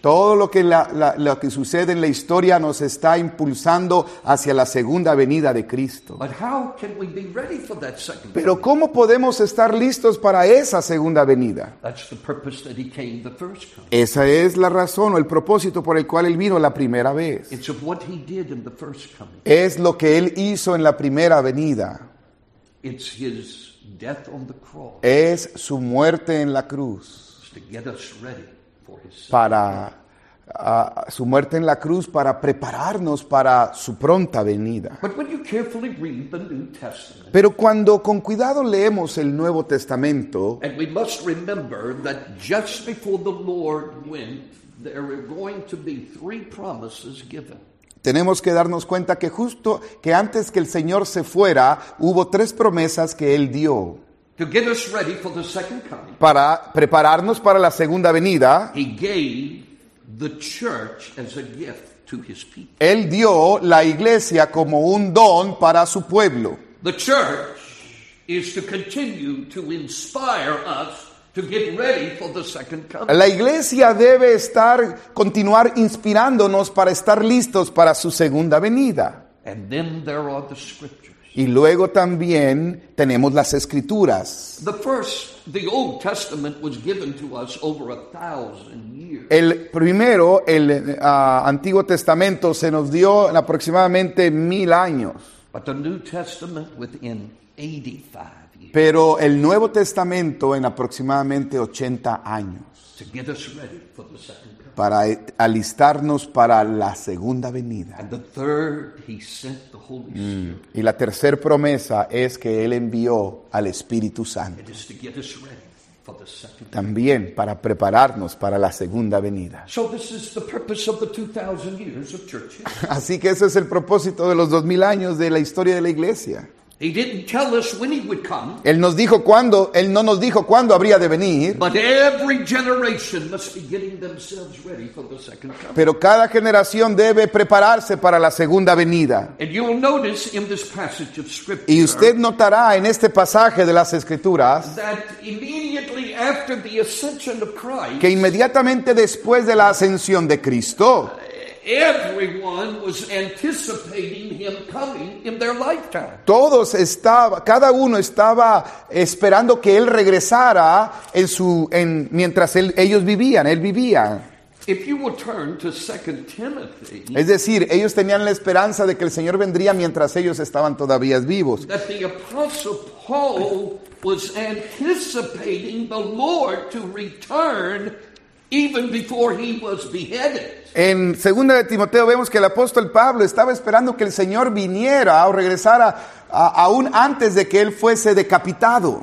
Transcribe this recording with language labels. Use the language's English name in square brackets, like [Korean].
[Spanish] Todo lo que lo que sucede en la historia nos está impulsando hacia la segunda venida de Cristo. [English] But how can we be ready for that second coming? [Spanish] Pero ¿cómo podemos estar listos para esa segunda venida? [English] That's the purpose that he came the first time. [Spanish] Esa es la razón o el propósito por el cual él vino la primera vez. [English] It's of what he did in the first coming. [Spanish] Es lo que él hizo en la primera venida. [English] It's his death on the cross. [Spanish] Es su muerte en la cruz. [English] To get us ready for his son. [Spanish] Para su muerte en la cruz para prepararnos para su pronta venida. [English] But when you carefully read the New Testament, [Spanish] pero cuando con cuidado leemos el Nuevo Testamento, [English] and we must remember that just before the Lord went, there are going to be three promises given. [Spanish] Tenemos que darnos cuenta que justo que antes que el Señor se fuera, hubo tres promesas que Él dio. [English] To get us ready for the second coming. [Spanish] Para prepararnos para la segunda venida. [English] He gave the church as a gift to his people. [Spanish] Él dio la iglesia como un don para su pueblo. [English] The church is to continue to inspire us to get ready for the second coming. [Spanish] La iglesia debe estar continuar inspirándonos para estar listos para su segunda venida. [English] And then there are the scriptures. [Spanish] Y luego también tenemos las escrituras. [English] The first, the Old Testament was given to us over 1,000 years. [Spanish] El primero, el Antiguo Testamento se nos dio en aproximadamente 1,000 años. [English] But the New Testament within 85. [Spanish] Pero el Nuevo Testamento en aproximadamente 80 años. [English] To get us ready for the second coming. [Spanish] Para alistarnos para la segunda venida. [English] And the third, he sent the Holy Spirit. [Spanish] Y la tercera promesa es que Él envió al Espíritu Santo. [English] It is to get us ready for the second coming. [Spanish] También para prepararnos para la segunda venida. [English] So this is the purpose of the 2,000 years of church history. [Spanish] Así que ese es el propósito de los 2,000 años de la historia de la iglesia. [English] He didn't tell us when he would come. [Spanish] Él nos dijo cuándo, él no nos dijo cuándo habría de venir. [English] But every generation must be getting themselves ready for the second coming. [Spanish] Pero cada generación debe prepararse para la segunda venida. [English] And you will notice in this passage of scripture. [Spanish] Y usted notará en este pasaje de las escrituras [English] that immediately after the ascension of Christ, [Spanish] que inmediatamente después de la ascensión de Cristo, [English] everyone was anticipating him coming in their lifetime. [Spanish] Todos estaba, cada uno estaba esperando que él regresara en su, en mientras él, ellos vivían, él vivía. [English] If you will turn to 2 Timothy. [Spanish] Es decir, ellos tenían la esperanza de que el Señor vendría mientras ellos estaban todavía vivos. [English] That the apostle Paul was anticipating the Lord to return even before he was beheaded. [Spanish] En 2 de Timoteo vemos que el apóstol Pablo estaba esperando que el Señor viniera o regresara aún antes de que él fuese decapitado.